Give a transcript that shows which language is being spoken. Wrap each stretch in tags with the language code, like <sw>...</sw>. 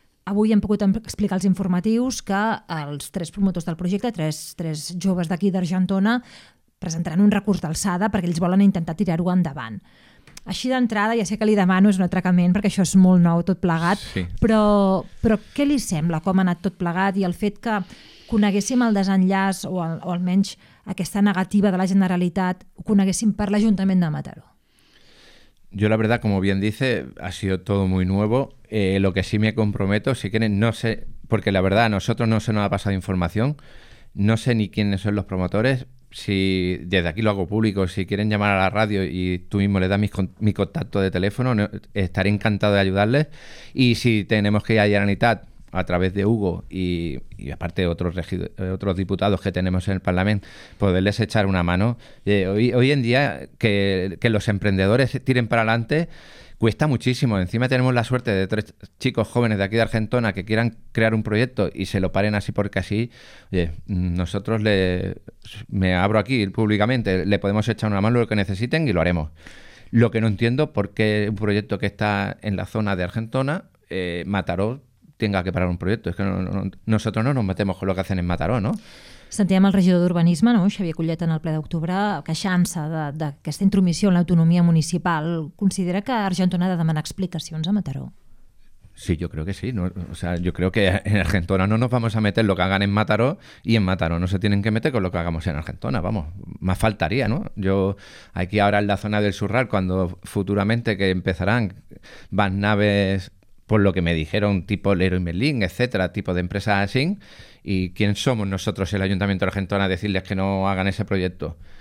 <ca>Avui hem pogut explicar als informatius que els tres promotors del projecte, tres joves d'aquí d'Argentona, presentaran un recurs d'alçada perquè ells volen intentar tirar-ho endavant. Així d'entrada, ja sé que li demano, és un atracament, perquè això és molt nou, tot plegat, sí. Però què li sembla com ha anat tot plegat i el fet que coneguéssim el desenllaç o almenys aquesta negativa de la Generalitat ho coneguéssim per l'Ajuntament de Mataró?</ca> <es>Yo la verdad, como bien dice, ha sido todo muy nuevo. Lo que sí me comprometo, si quieren, no sé, porque la verdad a nosotros no se nos ha pasado información, no sé ni quiénes son los promotores. Si desde aquí lo hago público, si quieren llamar a la radio y tú mismo le das mi contacto de teléfono, estaré encantado de ayudarles. Y si tenemos que ir a Generalitat a través de Hugo y aparte otros diputados que tenemos en el Parlamento, poderles echar una mano. Hoy en día que los emprendedores tiren para adelante cuesta muchísimo. Encima tenemos la suerte de tres chicos jóvenes de aquí de Argentona que quieran crear un proyecto y se lo paren así porque así. Oye, nosotros me abro aquí públicamente, le podemos echar una mano lo que necesiten y lo haremos. Lo que no entiendo por qué un proyecto que está en la zona de Argentona, Mataró, tenga que parar un proyecto. Es que nosotros no nos metemos con lo que hacen en Mataró, ¿no?</es> <ca>Sentíem el regidor d'Urbanisme, Xavier Collet, en el ple d'octubre, queixant-se d'aquesta intromissió en l'autonomia municipal. Considera que Argentona ha de demanar explicacions a Mataró?</ca> <es>Sí, yo creo que sí. No, o sea, yo creo que en Argentona no nos vamos a meter lo que hagan en Mataró, y en Mataró no se tienen que meter con lo que hagamos en Argentona, vamos. Más faltaría, ¿no? Yo aquí ahora en la zona del Surral, cuando futuramente que empezarán van naves, por lo que me dijeron, tipo Leroy Merlin, etcétera, tipo de empresas así, ¿y quién somos nosotros, el Ayuntamiento de Argentona, a decirles que no hagan ese proyecto?</es>